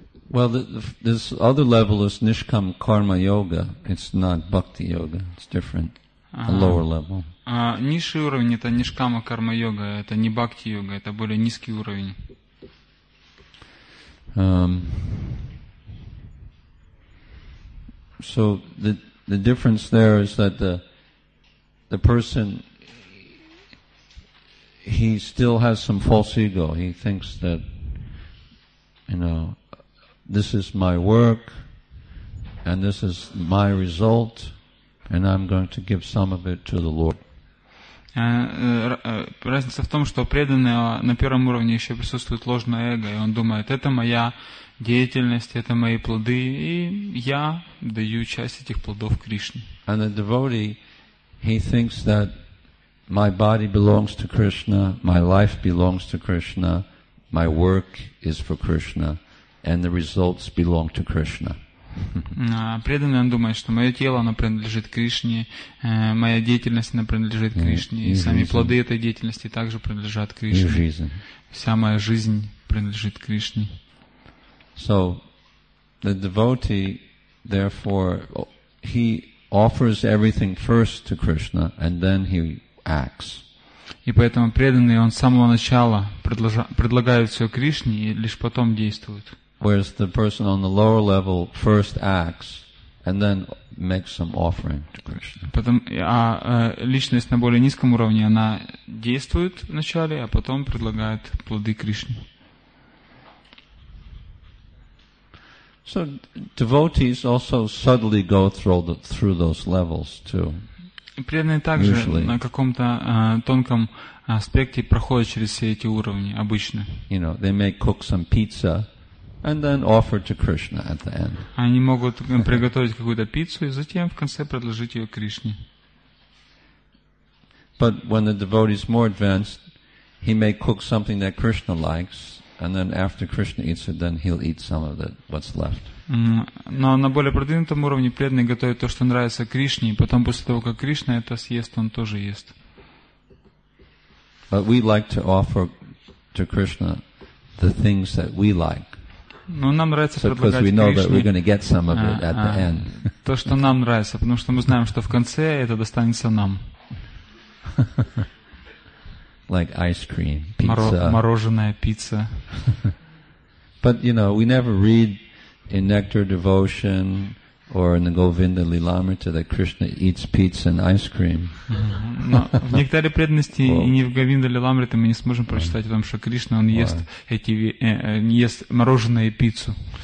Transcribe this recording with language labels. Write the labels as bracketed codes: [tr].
[en] Well, this other level is Nishkam Karma Yoga. It's not Bhakti Yoga. It's different. A lower level. [ru] Низший уровень это Нишкама Карма Йога. Это не Бхакти Йога. Это более низкий уровень. [en] So the difference there is that the person, he still has some false ego. He thinks that, you know, this is my work, and this is my result, and I'm going to give some of it to the Lord. [ru] Разница в том, что преданный на первом уровне еще присутствует ложное эго, и он думает, это моя деятельность, это мои плоды, и я даю часть этих плодов Кришне. [en] And the devotee, he thinks that my body belongs to Krishna, my life belongs to Krishna, my work is for Krishna, and the results belong to Krishna. [ru] Преданный, он думает, что мое тело, оно принадлежит Кришне, моя деятельность, она принадлежит Кришне, и сами плоды этой деятельности также принадлежат Кришне. Вся моя жизнь принадлежит Кришне. [en] So, the devotee, therefore, he offers everything first to Krishna, and then he acts. [ru] И поэтому преданный, он с самого начала предлагает все Кришне, и лишь потом действует. [en] Whereas the person on the lower level first acts and then makes some offering to Krishna. [ru] Потом, а личность на более низком уровне, она действует вначале, а потом предлагает плоды Кришне. [en] So devotees also subtly go through those levels too. [ru] Преданные также на каком-то тонком аспекте проходят через все эти уровни обычно. [en] You know, they may cook some pizza and then offer to Krishna at the end. [ru] Они могут приготовить какую-то пиццу и затем в конце предложить ее Кришне. [en] But when the devotee is more advanced, he may cook something that Krishna likes, and then after Krishna eats it, then he'll eat some of it, what's left. [ru] Но на более продвинутом уровне преданный готовит то, что нравится Кришне, и потом после того, как Кришна это съест, он тоже ест. [en] But we like to offer to Krishna the things that we like. [ru] Ну, нам нравится предлагать Кришне то, что нам нравится, потому что мы знаем, что в конце это достанется нам. [en] Like ice cream, pizza. [ru] Мороженое, пицца. [en] But, you know, we never read in Nectar Devotion or in the Govinda Lilamrita that Krishna eats pizza and ice cream. [ru] Но в Нектаре преданности и не в Говинда Лиламрита мы не сможем прочитать о том, что Кришна он ест эти ест мороженое и пиццу.